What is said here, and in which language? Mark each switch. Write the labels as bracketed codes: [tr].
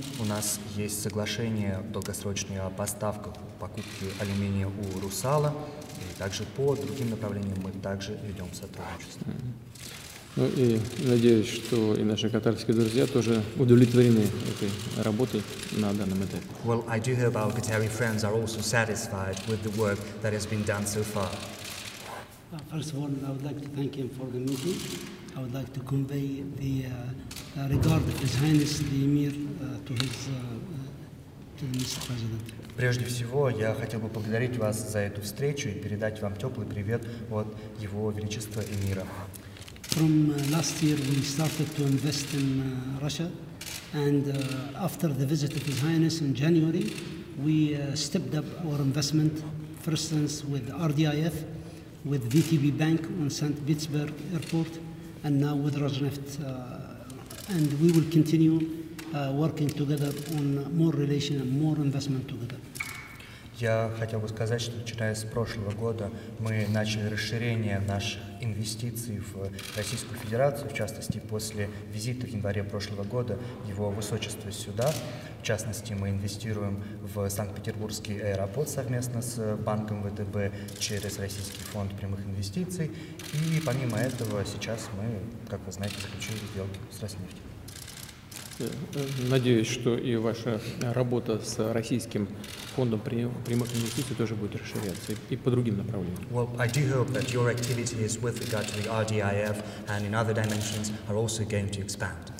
[ru] У нас есть соглашение долгосрочное о поставках, покупке алюминия у Русала. И также по другим направлениям мы также ведем сотрудничество. Ну и надеюсь, что и наши катарские друзья тоже удовлетворены этой работой на данном этапе. [en] Well, I do hope our Qatari friends are also satisfied with the work that has been done so far. First of all, I would like to thank him for the meeting. I would like to convey the regard of His Highness the Emir to his to Mr. President. [ru] Прежде всего, я хотел бы поблагодарить вас за эту встречу и передать вам теплый привет от Его Величества Эмира. [en] From last year, we started to invest in Russia, and after the visit of His Highness in January, we stepped up our investment, for instance, with RDIF, with VTB Bank on St. Petersburg Airport, and now with Rosneft. And we will continue working together on more relations and more investment together. [ru] Я хотел бы сказать, что начиная с прошлого года мы начали расширение наших инвестиций в Российскую Федерацию, в частности, после визита в январе прошлого года Его Высочества сюда. В частности, мы инвестируем в Санкт-Петербургский аэропорт совместно с банком ВТБ через Российский фонд прямых инвестиций. И помимо этого, сейчас мы, как вы знаете, заключили сделку с Роснефтью. Надеюсь, что и ваша работа с российским фондом прямых инвестиций тоже будет расширяться и по другим направлениям. [en] Well, I do hope that your activities with regard to the RDIF and in other dimensions are also going to expand.